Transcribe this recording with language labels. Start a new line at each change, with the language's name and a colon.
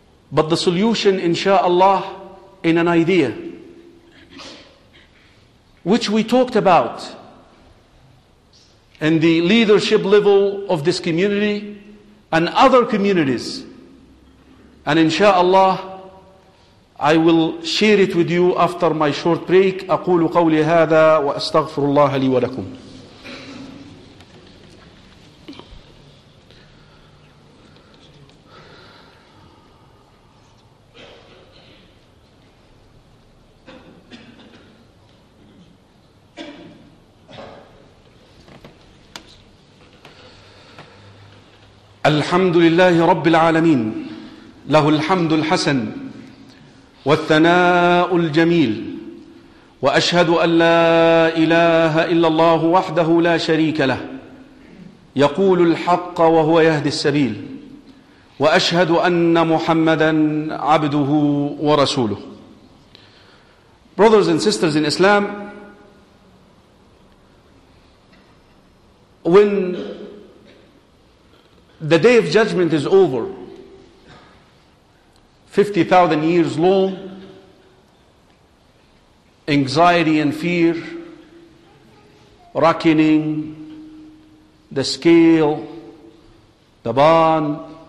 English: But the solution, inshallah, in an idea, which we talked about in the leadership level of this community and other communities. And inshallah, I will share it with you after my short break.
Arabic: أقول قولي هذا وأستغفر الله لي ولكم. الحمد لله رب العالمين له الحمد الحسن والثناء الجميل وأشهد أن لا إله إلا الله وحده لا شريك له يقول الحق وهو يهدي السبيل وأشهد أن محمدًا عبده ورسوله.
English: Brothers and sisters in Islam, when the day of judgment is over, 50,000 years long, anxiety and fear, reckoning, the scale, the ban.